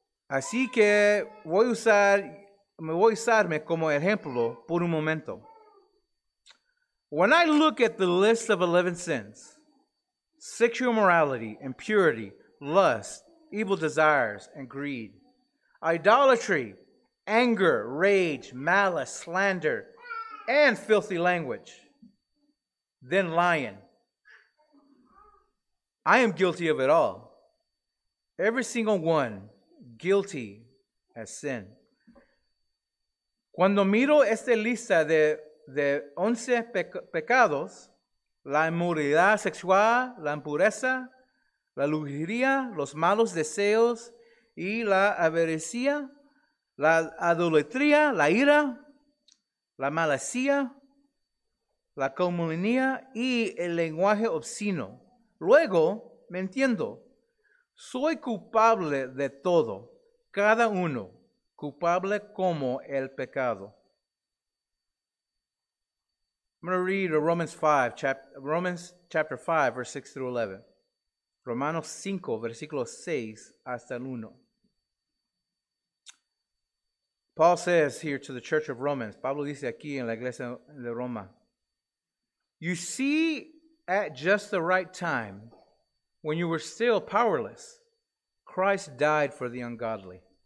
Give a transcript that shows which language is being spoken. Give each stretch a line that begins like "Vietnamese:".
Spanish: Así que me voy a usarme como ejemplo por un momento.
English: When I look at the list of 11 sins, sexual immorality, impurity, lust, evil desires, and greed, idolatry, anger, rage, malice, slander, and filthy language, then lying. I am guilty of it all. Every single one guilty as sin.
Spanish: Cuando miro esta lista de 11 pecados, la inmoralidad sexual, la impureza, la lujuria, los malos deseos y la avaricia, la adulatría, la ira, la malicia, la calumnia y el lenguaje obsceno. Luego, me entiendo, soy culpable de todo, cada uno culpable como el pecado.
English: I'm going to read Romans chapter 5, verse 6 through 11.
Spanish: Romanos 5, versículo 6 hasta el 1.
English: Paul says here to the church of Romans,
Spanish: Pablo dice aquí en la iglesia de Roma,
English: you see at just the right time, when you were still powerless, Christ died for the ungodly.